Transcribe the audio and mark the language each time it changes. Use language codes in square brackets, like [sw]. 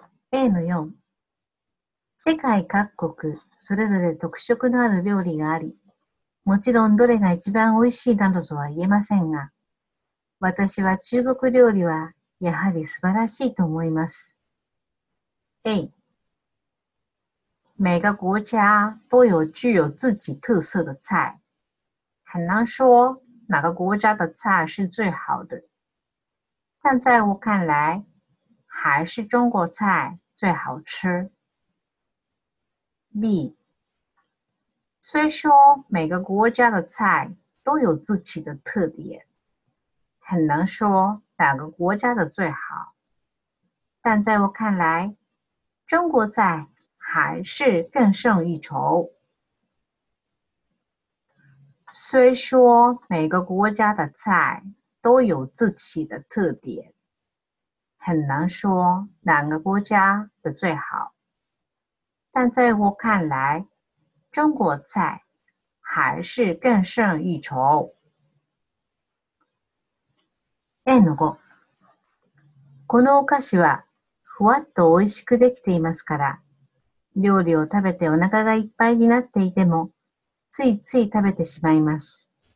[ja] A-4 世界各国それぞれ特色のある料理があり、もちろんどれが一番おいしいなどとは言えませんが、私は中国料理はやはり素晴らしいと思います。 [zh] A、每个国家都有具有自己特色的菜，很难说哪个国家的菜是最好的，但在我看来，还是中国菜最好吃。 B，虽说每个国家的菜都有自己的特点，很难说哪个国家的最好，但在我看来，中国菜还是更胜一筹。虽说每个国家的菜都有自己的特点。很难说哪个国家的最好，但在我看来，中国菜还是更胜一筹。 N5。 [ja] このお菓子はふわっと美味しくできていますから、料理を食べてお腹がいっぱいになっていても、ついつい食べてしまいます。